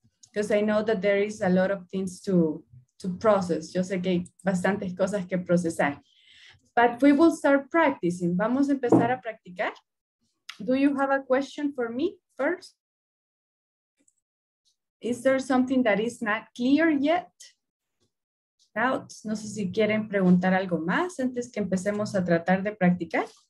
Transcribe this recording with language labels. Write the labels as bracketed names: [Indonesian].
[English] Because I know that there is a lot of things to process. [Spanish] Yo sé que hay bastantes cosas que procesar. [English] But we will start practicing. [Spanish] Vamos a empezar a practicar. [English] Do you have a question for me first? Is there something that is not clear yet? Doubts. [Spanish] No sé si quieren preguntar algo más antes que empecemos a tratar de practicar.